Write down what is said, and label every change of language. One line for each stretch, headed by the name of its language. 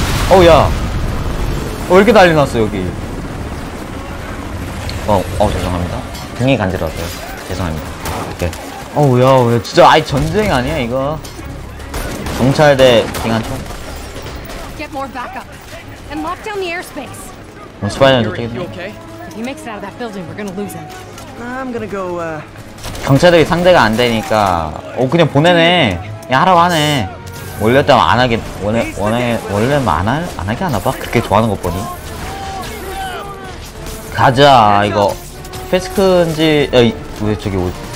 Korean: 어우 야 왜 이렇게 난리 났어 여기. 어 죄송합니다. 등이 간지러워서요. 죄송합니다. 오케이. 어우 야 왜 진짜 아이 전쟁 아니야 이거. 경찰대 빙한총.
English: Get more backup and lock down the airspace.
Korean: 스파이는 어떻게 돼?
English: If he makes it out of that building, we're gonna lose him. I'm gonna go.
Korean: 경찰들이 상대가 안 되니까, 오 그냥 보내네. 야 하라고 하네. 원래였다면 안 하게 원래 안 하게 하나 봐. 그렇게 좋아하는 것 보니. 가자 이거. 페스크인지 왜 저기 오.